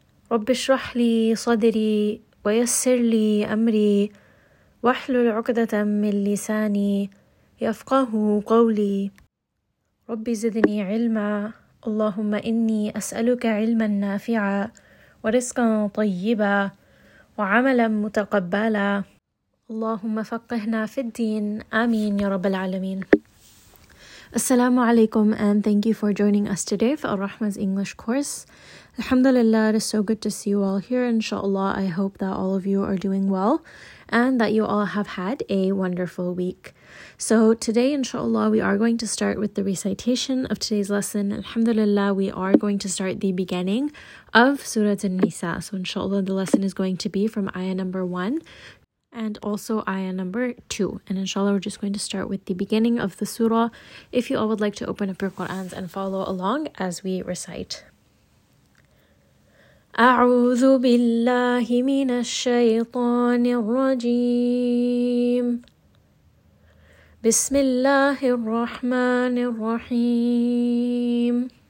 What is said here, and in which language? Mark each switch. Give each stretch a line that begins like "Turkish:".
Arabic: رب اشرح لي صدري ويسر لي أمري واحلل عقدة من لساني يفقه قولي. رب زدني علما، اللهم إني أسألك علما نافعا ورزقا طيبا وعملا متقبلا، اللهم فقهنا في الدين، آمين يا رب العالمين.
English: السلام عليكم and thank you for joining us today for Al-Rahma's English course. Alhamdulillah, it is so good to see you all here. Inshallah, I hope that all of you are doing well and that you all have had a wonderful week. So today, inshallah, we are going to start with the recitation of today's lesson. Alhamdulillah, we are going to start the beginning of Surah An-Nisa. So inshallah, the lesson is going to be from ayah number 1 and also ayah number 2. And inshallah, we're just going to start with the beginning of the surah. If you all would like to open up your Qur'ans and follow along as we recite.
Arabic: أعوذ بالله من الشيطان الرجيم. بسم الله الرحمن الرحيم.